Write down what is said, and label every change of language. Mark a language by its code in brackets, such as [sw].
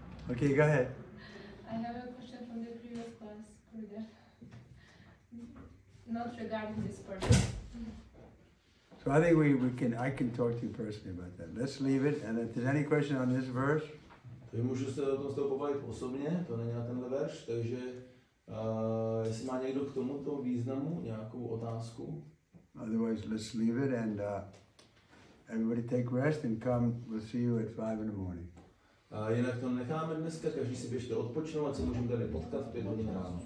[en] Okay, go ahead. I have a question from the previous class, not regarding this person. So I think I can talk to you personally about that. Let's leave it, and if there's any question on this verse, [cs] takže můžu se o tom s toho pobavit osobně, to není na tenhle verš, takže jestli má někdo k tomuto významu nějakou otázku. [en] Otherwise, let's leave it and everybody take rest and come, we'll see you at 5 in the morning. [cs] Jinak to necháme dneska, každý si běžte odpočinovat, se můžeme tady potkat v 5 hodin ráno.